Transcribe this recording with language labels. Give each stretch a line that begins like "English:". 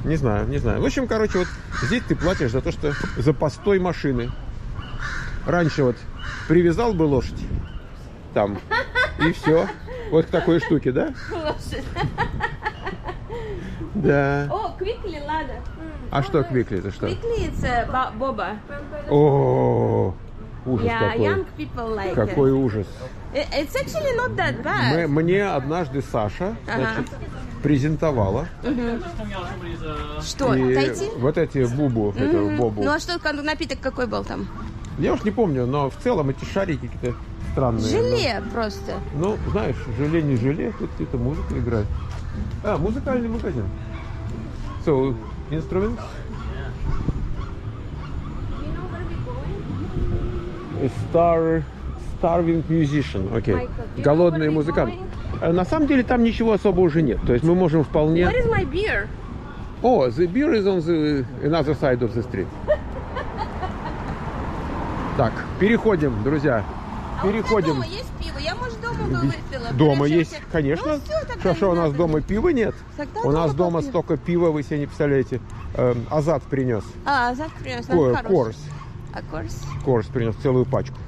Russian: Не знаю. В общем, короче, вот здесь ты платишь за то, что за постой машины. Раньше вот привязал бы лошадь там, и все. Вот к такой штуке, да? Лошадь. Да. О, Quickly, Lada. А что Quickly, это что?
English: Quickly, it's Boba.
Russian: О, ужас какой.
English: Yeah, young people like it.
Russian: Какой ужас.
English: It's actually not that bad.
Russian: Мне однажды Саша, значит... презентовала. Что? Вот эти бубу. Бобу. Ну а что, напиток какой был там? Я уж не помню, но в целом эти шарики какие-то странные. Желе просто. Ну, знаешь, желе не желе, тут какие-то музыка играет. А, музыкальный магазин.
English: So, instruments? A starving musician. Okay.
Russian: Голодный музыкант. На самом деле там ничего особо уже нет. То есть мы можем вполне...
English: Where is my beer? Oh, the beer is on the another side of the street.
Russian: Так, переходим, друзья. Переходим. А у тебя дома есть пиво? Я, может, дома бы выпила. Дома есть, конечно. Хорошо, у нас дома пива нет. У нас дома столько пива, вы себе не представляете. Азат принес. Азат принес. Корс. Корс принес целую пачку.